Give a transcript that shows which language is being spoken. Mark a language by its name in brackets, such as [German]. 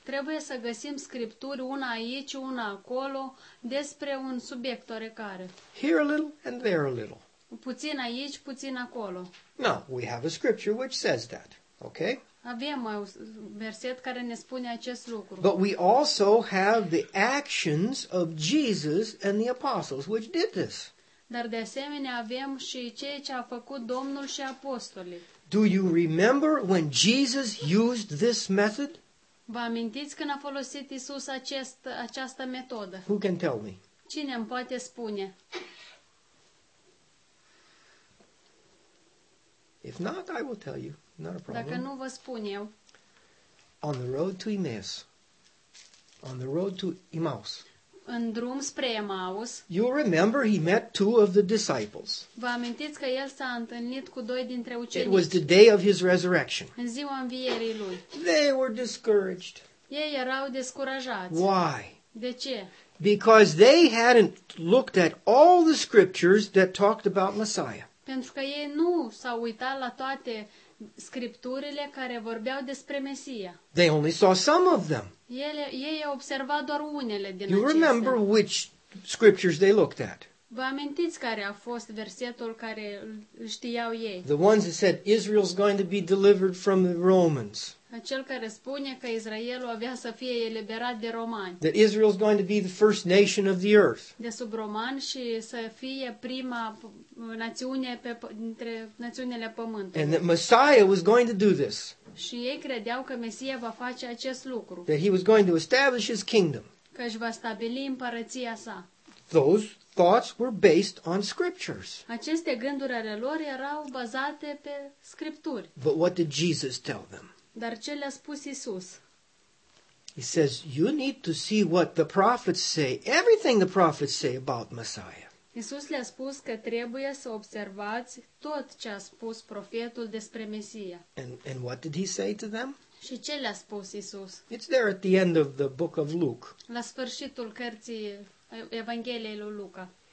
[Romanian] Trebuie să găsim scripturi una aici, una acolo, despre un subiect oarecare. [English] Here a little and there a little. [Romanian] Puțin aici, puțin acolo. [English] Now, we have a scripture which says that. Okay? [Romanian] Avem un verset care ne spune acest lucru. [English] But we also have the actions of Jesus and the apostles which did this. [Romanian] Dar de asemenea avem și ceea ce a făcut Domnul și apostolii. [English] Do you remember when Jesus used this method? [Romanian] Vă amintiți când a folosit Iisus această metodă? [English] Who can tell me? [Romanian] Cine îmi poate spune? [English] If not, I will tell you. Not a problem. [Romanian] Dacă nu vă spun eu. [English] On the road to Emmaus. On the road to Emmaus. [Romanian] În drum spre Emmaus. [English] You remember he met two of the disciples. [Romanian] Vă amintiți că el s-a întâlnit cu doi dintre ucenici. [English] It was the day of his resurrection. [Romanian] În ziua învierii lui. [English] They were discouraged. [Romanian] Ei erau descurajați. [English] Why? [Romanian] De ce? [English] Because they hadn't looked at all the scriptures that talked about Messiah. [Romanian] Pentru că ei nu s-au uitat la toate scripturile care vorbeau despre Mesia. [English] They only saw some of them. [Romanian] Ei au observat doar unele din acestea. [English] You remember which scriptures they looked at? [Romanian] Vă amintiți care a fost versetul care știau ei? [English] The ones that said Israel's going to be delivered from the Romans. [Romanian] Acel care spune că Israelul avea să fie eliberat de romani. [English] That Israel's going to be the first nation of the earth. [Romanian] De sub romani și să fie prima națiune dintre națiunile pământului. [English] And that Messiah was going to do this. [Romanian] Și ei credeau că Mesia va face acest lucru. [English] That he was going to establish his kingdom. [Romanian] Că își va stabili împărăția sa. [English] Those thoughts were based on scriptures. [Romanian] Aceste gânduri ale lor erau bazate pe scripturi. [English] But what did Jesus tell them? [Romanian] Dar ce le-a spus Isus? [English] He says, you need to see what the prophets say, everything the prophets say about Messiah. [Romanian] Isus le-a spus că trebuie să observați tot ce a spus profetul despre Mesia. [English] And what did he say to them? [Romanian] Și ce le-a spus Isus? [English] It's there at the end of the book of Luke. [Romanian] La sfârșitul cărții Evangheliei lui Luca.